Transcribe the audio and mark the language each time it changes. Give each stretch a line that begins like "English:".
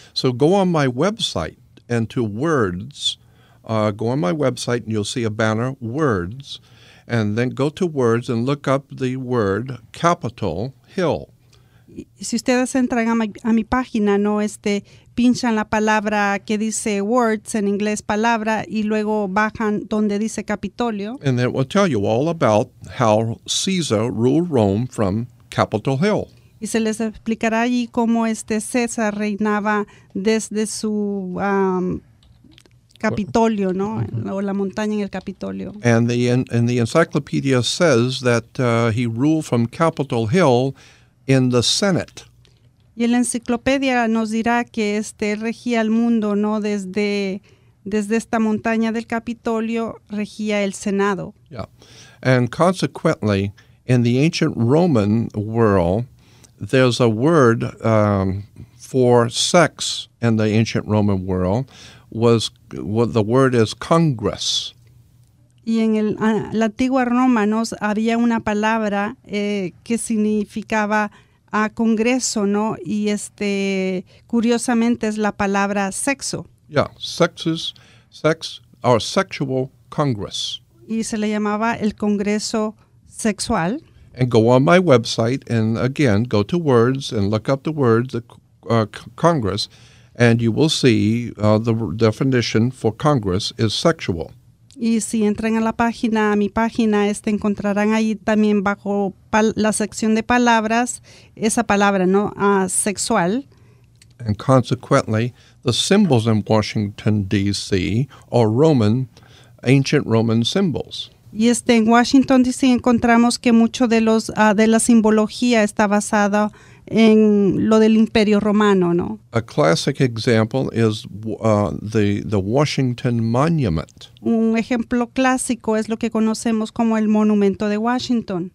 English: So go on my website and to words. Go on my website and you'll see a banner, words. And then go to words and look up the word Capitol Hill.
Spanish: Si ustedes entran a mi página, ¿no? Pinchan la palabra que dice words en inglés, palabra, y luego bajan donde dice Capitolio.
English: And it will tell you all about how Caesar ruled Rome from Capitol Hill.
Spanish: Y se les explicará allí cómo César reinaba desde su Capitolio, ¿no? Uh-huh. O la montaña en el Capitolio.
English: And the encyclopedia says that he ruled from Capitol Hill in the Senate.
Spanish: Y la enciclopedia nos dirá que regía el mundo, ¿no? Desde esta montaña del Capitolio regía el Senado.
English: Yeah. And consequently, in the ancient Roman world, there's a word for sex in the ancient Roman world was what the word is congress.
Spanish: Y en la antigua Roma, ¿no? Había una palabra que significaba a congreso, ¿no? Y curiosamente es la palabra sexo.
English: Yeah, sex or sexual congress.
Spanish: Y se le llamaba el congreso sexual.
English: And go on my website and again go to words and look up the words congress and you will see the definition for congress is sexual.
Spanish: Y si entran a la página, a mi página, encontrarán ahí también bajo la sección de palabras esa palabra, ¿no? Sexual.
English: And consequently, the symbols in Washington, D.C. are ancient Roman symbols.
Spanish: Y en Washington, D.C. encontramos que mucho de los de la simbología está basada en lo del Imperio Romano, ¿no?
English: A classic example is the Washington Monument.
Spanish: Un ejemplo clásico es lo que conocemos como el Monumento de Washington.